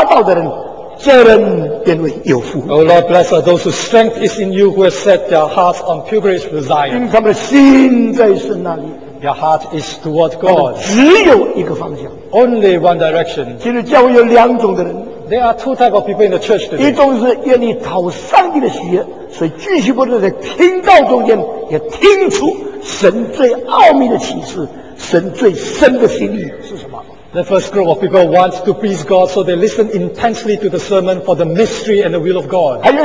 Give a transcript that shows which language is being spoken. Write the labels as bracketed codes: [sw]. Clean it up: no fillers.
[zh] 耶和华，靠你心中有力量，向往锡安大道的人，这人便为有福。 [en] O Lord, blessed are those whose strength is in you, who have set their hearts on pilgrimage to Zion. [zh] 因为他们的心在神那里。 [en] Their heart is towards God. [zh] 只有一个方向。 [en] Only one direction. [zh] 今日教会有两种的人。 [en] There are two types of people in the church today. [zh] 一种是愿意讨上帝的喜悦，所以继续不断在听道中间也听出神最奥秘的启示，神最深的心意是什么。 [en] The first group of people wants to please God, so they listen intensely to the sermon for the mystery and the will of God.